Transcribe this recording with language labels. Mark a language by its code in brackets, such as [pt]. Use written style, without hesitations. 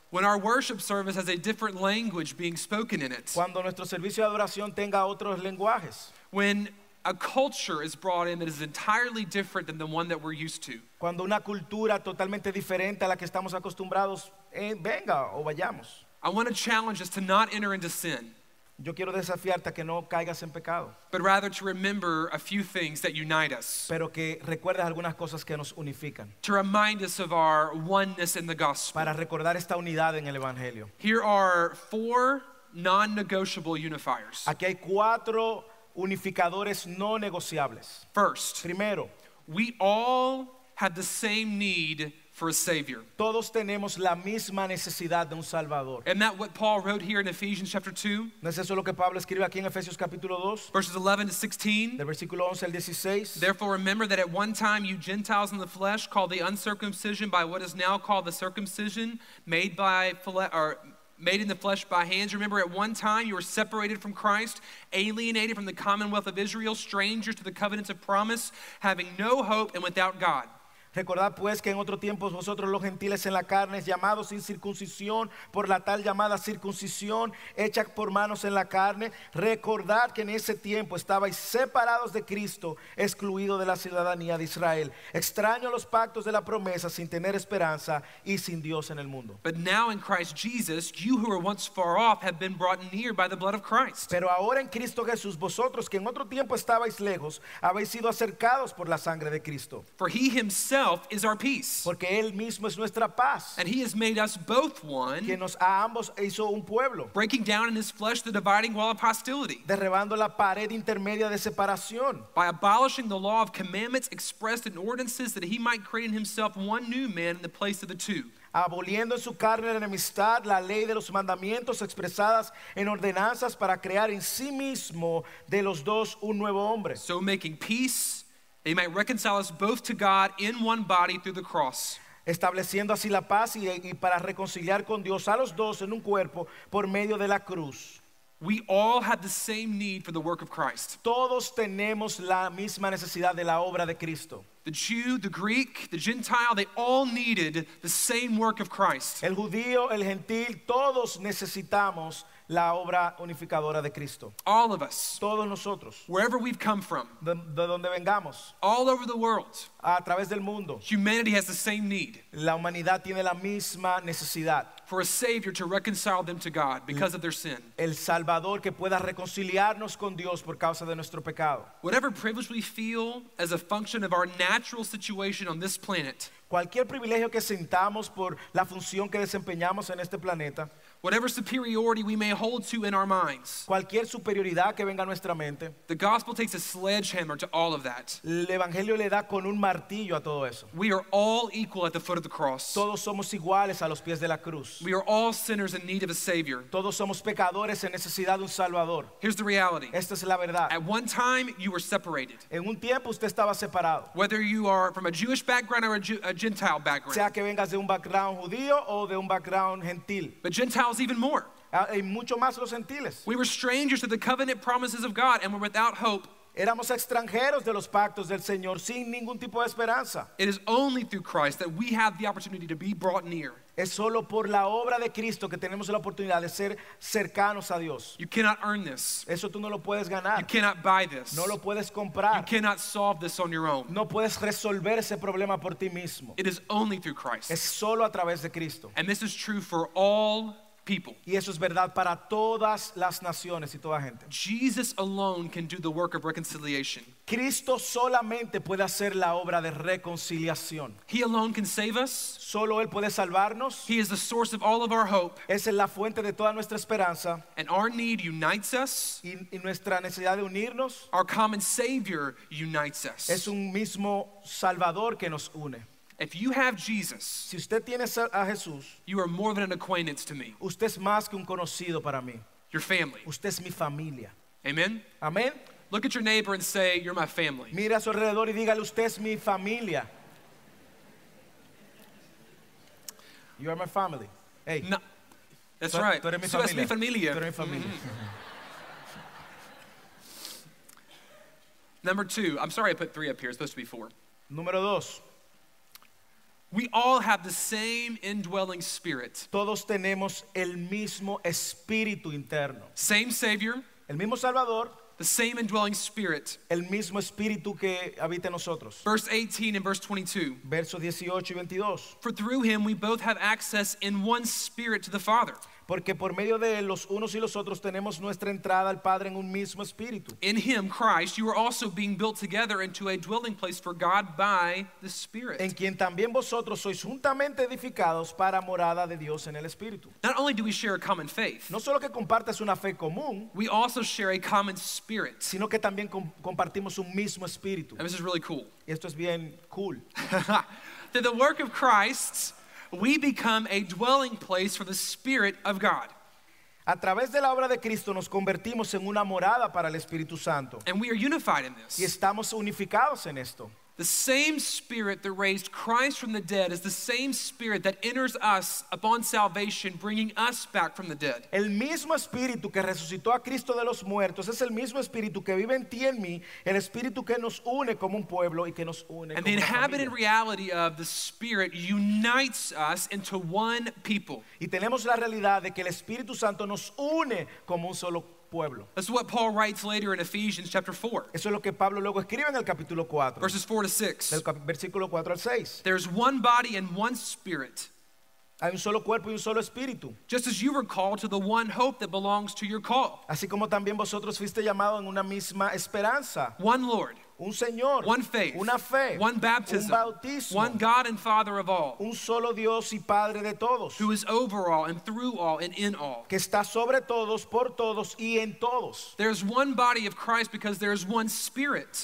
[en] When our worship service has a different language being spoken in it. [es] Cuando nuestro servicio de adoración tenga otros lenguajes. [en] When a culture is brought in that is entirely different than the one that we're used to. [es] Cuando una cultura totalmente diferente a la que estamos acostumbrados venga o vayamos. [en] I want to challenge us to not enter into sin. [es] Yo quiero desafiarte a que no caigas en pecado. [en] But rather to remember a few things that unite us. [es] Pero que recuerdes algunas cosas que nos unifican. [en] To remind us of our oneness in the gospel. [es] Para recordar esta unidad en el evangelio. [en] Here are four non-negotiable unifiers. [es] Aquí hay cuatro unificadores no negociables. [en] First. [es] Primero. [en] We all have the same need for a savior. [es] Todos tenemos la misma necesidad de un salvador. [en] And that what Paul wrote here in Ephesians chapter 2. [es] ¿No es eso lo que Pablo escribe aquí en Efesios capítulo 2? [en] Verses 11 to 16. [es] Del versículo 11 al 16. [en] Therefore remember that at one time you Gentiles in the flesh called the uncircumcision by what is now called the circumcision made by made in the flesh by hands. Remember at one time you were separated from Christ, alienated from the commonwealth of Israel, strangers to the covenants of promise, having no hope and without God. [es] Recordad pues que en otro tiempo vosotros los gentiles en la carne, llamados sin circuncisión por la tal llamada circuncisión hecha por manos en la carne, recordad que en ese tiempo estabais separados de Cristo, excluidos de la ciudadanía de Israel, extraños a los pactos de la promesa, sin tener esperanza y sin Dios en el mundo. [en] But now in Christ Jesus, you who were once far off have been brought near by the blood of Christ. [es] Pero ahora en Cristo Jesús, vosotros que en otro tiempo estabais lejos, habéis sido acercados por la sangre de Cristo. [en] For he himself is our peace. [es] Porque él mismo es nuestra paz. [en] And he has made us both one. [es] Que nos a ambos hizo un pueblo. [en] Breaking down in his flesh the dividing wall of hostility. [es] Derribando la pared intermedia de separación. [en] By abolishing the law of commandments expressed in ordinances that he might create in himself one new man in the place of the two. [es] Aboliendo en su carne la enemistad, la ley de los mandamientos expresadas en ordenanzas para crear en sí mismo de los dos un nuevo hombre. [en] So making peace. He might reconcile us both to God in one body through the cross. [es] Estableciendo así la paz y para reconciliar con Dios a los dos en un cuerpo por medio de la cruz. [en] We all have the same need for the work of Christ. [es] Todos tenemos la misma necesidad de la obra de Cristo. [en] The Jew, the Greek, the Gentile, they all needed the same work of Christ. [es] El judío, el gentil, todos necesitamos la obra unificadora de Cristo. [en] All of us. [es] Todos nosotros. [en] Wherever we've come from. [es] De donde vengamos. [en] All over the world. [es] A través del mundo. [en] Humanity has the same need. [es] La humanidad tiene la misma necesidad. [en] For a savior to reconcile them to God because of their sin. [es] El salvador que pueda reconciliarnos con Dios por causa de nuestro pecado. [en] Whatever privilege we feel as a function of our natural situation on this planet. [es] Cualquier privilegio que sintamos por la función que desempeñamos en este planeta. [en] Whatever superiority we may hold to in our minds. [es] Cualquier superioridad que venga a nuestra mente. [en] The gospel takes a sledgehammer to all of that. [es] El evangelio le da con un martillo a todo eso. [en] We are all equal at the foot of the cross. [es] Todos somos iguales a los pies de la cruz. [en] We are all sinners in need of a savior. [es] Todos somos pecadores en necesidad de un salvador. [en] Here's the reality. [es] Esta es la verdad. [en] At one time you were separated. [es] En un tiempo usted estaba separado. [en] Whether you are from a Jewish background or a Gentile background. [es] Sea que vengas de un background judío o de un background gentil. [en] But Gentile even more. [es] Y mucho más los gentiles. [en] We were strangers to the covenant promises of God and were without hope. [es] Éramos extranjeros de los pactos del Señor sin ningún tipo de esperanza. [en] It is only through Christ that we have the opportunity to be brought near. [es] Es solo por la obra de Cristo que tenemos la oportunidad de ser cercanos a Dios. [en] You cannot earn this. [es] Eso tú no lo puedes ganar. [en] You cannot buy this. [es] No lo puedes comprar. [en] You cannot solve this on your own. [es] No puedes resolver ese problema por ti mismo. [en] It is only through Christ. [es] Es solo a través de Cristo. [en] And this is true for all people. [es] Y eso es verdad para todas las naciones y toda gente. [en] Jesus alone can do the work of reconciliation. [es] Cristo solamente puede hacer la obra de reconciliación. [en] He alone can save us. [es] Solo él puede salvarnos. [en] He is the source of all of our hope. [es] Es la fuente de toda nuestra esperanza. [en] And our need unites us. [es] Y nuestra necesidad de unirnos. [en] Our common Savior unites us. [es] Es un mismo Salvador que nos une. [en] If you have Jesus, [es] si usted tiene a Jesús, [en] you are more than an acquaintance to me. [es] Usted es más que un conocido para mí. [en] Your family. [es] Usted es mi familia. [en] Amen. Amen. Look at your neighbor and say, "You're my family." [es] Mire a su alrededor y dígale, "Usted es mi familia." [en] You are my family. Hey. No, that's right. [es] Tú eres mi familia. Tú eres mi familia. Tú eres mi familia. [en] Number two. I'm sorry, I put three up here. It's supposed to be four. [es] Número dos. [en] We all have the same indwelling spirit. [es] Todos tenemos el mismo espíritu interno. [en] Same Savior. [es] El mismo Salvador. [en] The same indwelling spirit. [es] El mismo espíritu que habita en nosotros. [en] Verse 18 and verse 22. [es] Verso 18 y 22. [en] For through him we both have access in one spirit to the Father. [es] Porque por medio de él, los unos y los otros, tenemos nuestra entrada al Padre en un mismo espíritu. [en] In him, Christ, you are also being built together into a dwelling place for God by the Spirit. [es] En quien también vosotros sois juntamente edificados para morada de Dios en el Espíritu. [en] Not only do we share a common faith, [es] no solo que compartas una fe común, [en] we also share a common spirit, [es] sino que también compartimos un mismo espíritu. [en] And this is really cool. [es] Y esto es bien cool. [en] That the work of Christ, we become a dwelling place for the Spirit of God. [es] A través de la obra de Cristo nos convertimos en una morada para el Espíritu Santo. [en] And we are unified in this. [es] Y estamos unificados en esto. [en] The same Spirit that raised Christ from the dead is the same Spirit that enters us upon salvation, bringing us back from the dead. [es] El mismo Espíritu que resucitó a Cristo de los muertos es el mismo Espíritu que vive en ti y en mí, el Espíritu que nos une como un pueblo y que nos une como una familia. [en] And the inhabited reality of the Spirit unites us into one people. [es] Y tenemos la realidad de que el Espíritu Santo nos une como un solo pueblo. [en] That's what Paul writes later in Ephesians chapter 4. [es] Eso es lo que Pablo luego escribe en el capítulo 4. [en] Verses 4 to 6. [es] Del versículo 4 al 6. [en] There's one body and one spirit. [es] Hay un solo cuerpo y un solo espíritu. [en] Just as you were called to the one hope that belongs to your call. [es] Así como también vosotros fuiste llamado en una misma esperanza. [en] One Lord. [es] Un Señor. [en] One faith. [es] Una fe. [en] One baptism. [es] Un bautismo. [en] One God and Father of all. [es] Un solo Dios y Padre de todos. [en] Who is over all and through all and in all. [es] Que está sobre todos, por todos y en todos. [en] There is one body of Christ because there is one Spirit.